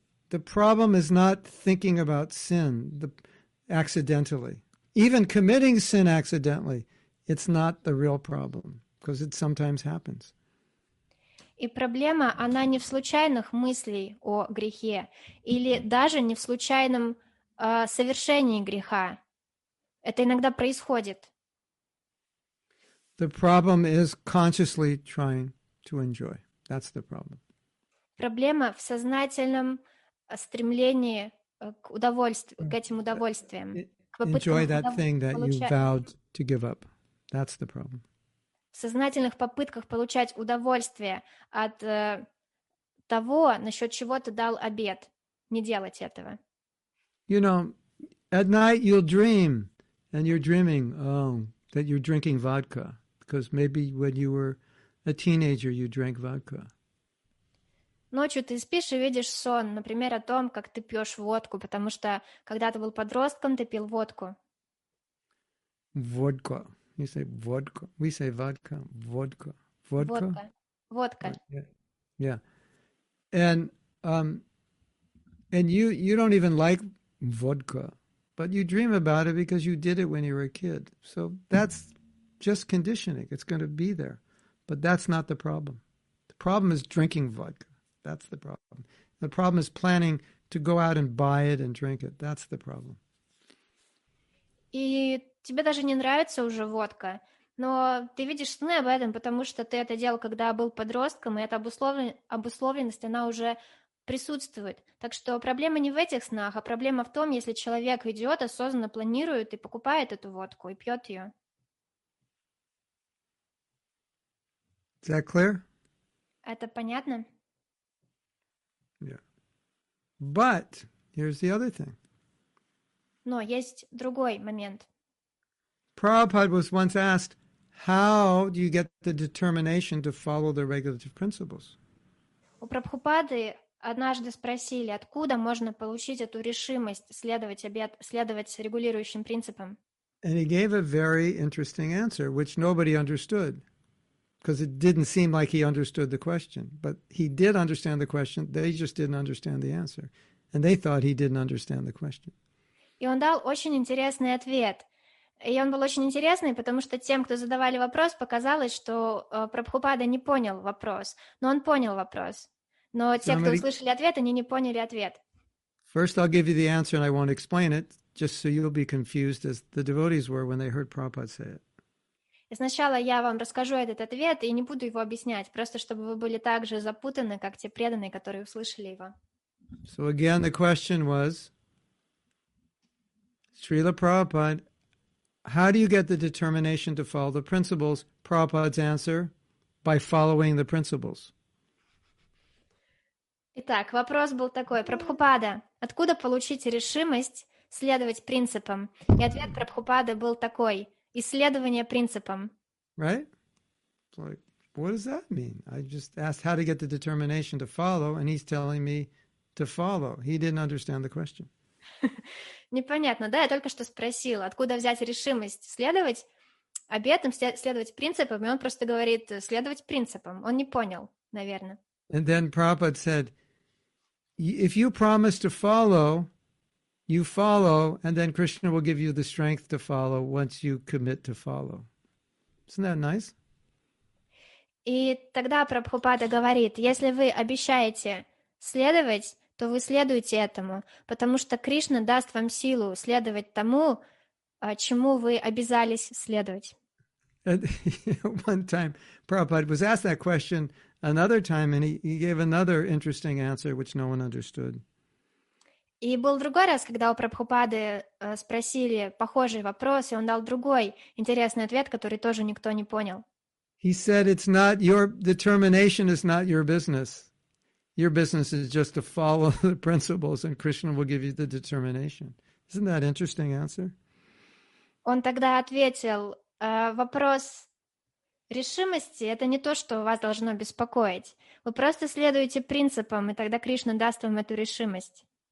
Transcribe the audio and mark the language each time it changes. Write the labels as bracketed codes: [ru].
[en] The problem is not thinking about sin accidentally. Even committing sin accidentally, it's not the real problem. Because it sometimes happens. [ru] И проблема, она не в случайных мыслях о грехе, или даже не в случайном совершении греха. Это иногда происходит. [en] The problem is consciously trying to enjoy. That's the problem. [ru] Проблема в сознательном стремлении к удовольствию, к этим удовольствиям. [en] Enjoy that thing that you vowed to give up. That's the problem. [ru] В сознательных попытках получать удовольствие от того, насчет чего ты дал обет, не делать этого. [en] You know, at night you'll dream, and you're dreaming that you're drinking vodka, because maybe when you were a teenager you drank vodka. [ru] Ночью ты спишь и видишь сон, например, о том, как ты пьешь водку, потому что когда ты был подростком, ты пил водку. [en] Водка. You say vodka. We say vodka. Vodka. Vodka. Vodka. Yeah. And you don't even like vodka, but you dream about it because you did it when you were a kid. So that's just conditioning. It's going to be there. But that's not the problem. The problem is drinking vodka. That's the problem. The problem is planning to go out and buy it and drink it. That's the problem. [ru] И тебе даже не нравится уже водка, но ты видишь сны об этом, потому что ты это делал, когда был подростком, и эта обусловленность, она уже присутствует. Так что проблема не в этих снах, а проблема в том, если человек идет, осознанно планирует и покупает эту водку, и пьет ее. [en] Is that clear? [ru] Это понятно? [en] Yeah. But here's the other thing. [ru] Но есть другой момент. [en] Prabhupada was once asked, how do you get the determination to follow the regulative principles? [ru] У Прабхупады однажды спросили, откуда можно получить эту решимость следовать регулирующим принципам? [en] And he gave a very interesting answer, which nobody understood, because it didn't seem like he understood the question. But he did understand the question, they just didn't understand the answer. And they thought he didn't understand the question. [ru] И он дал очень интересный ответ. И он был очень интересный, потому что тем, кто задавали вопрос, показалось, что Прабхупада не понял вопрос. Но он понял вопрос. Но те, кто услышали ответ, они не поняли ответ. [en] First I'll give you the answer and I won't explain it, just so you'll be confused as the devotees were when they heard Prabhupada say it. [ru] И сначала я вам расскажу этот ответ и не буду его объяснять, просто чтобы вы были так же запутаны, как те преданные, которые услышали его. [en] So again the question was, Srila Prabhupada, how do you get the determination to follow the principles? Prabhupada's answer, by following the principles. [ru] Итак, вопрос был такой. Прабхупада, откуда получить решимость следовать принципам? И ответ Прабхупады был такой. Исследование принципам. [en] Right? Like, what does that mean? I just asked how to get the determination to follow, and he's telling me to follow. He didn't understand the question. [ru] Непонятно, да? Я только что спросил, откуда взять решимость следовать обетам, следовать принципам, и он просто говорит, следовать принципам. Он не понял, наверное. [en] And then Prabhupada said, if you promise to follow, you follow, and then Krishna will give you the strength to follow once you commit to follow. Isn't that nice? [ru] И тогда Прабхупада говорит, если вы обещаете следовать, то вы следуете этому, потому что Кришна даст вам силу следовать тому, чему вы обязались следовать. [en] One time Prabhupada was asked that question another time, and he gave another interesting answer, which no one understood. [ru] И был другой раз, когда у Прабхупады спросили похожий вопрос, и он дал другой интересный ответ, который тоже никто не понял. [en] He said, it's not your determination is not your business. Your business is just to follow the principles and Krishna will give you the determination. Isn't that an interesting answer? [ru] Он тогда ответил, вопрос решимости – это не то, что вас должно беспокоить. Вы просто следуете принципам, и тогда Кришна даст вам эту решимость.